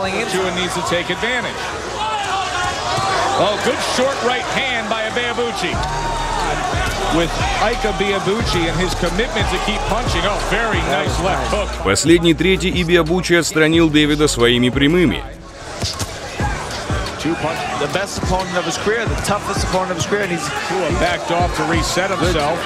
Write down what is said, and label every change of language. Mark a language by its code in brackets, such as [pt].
[en] Tua needs to take advantage. Oh, good short right hand by Ibiabuchi. With Ike Ibiabuchi and his commitment to keep punching. Oh, very nice left hook. [ru] Последний третий Ибиабучи отстранил Дэвида своими прямыми. [en] Two-punch, the best opponent of his career, the toughest opponent of his career, and he's backed off to reset himself.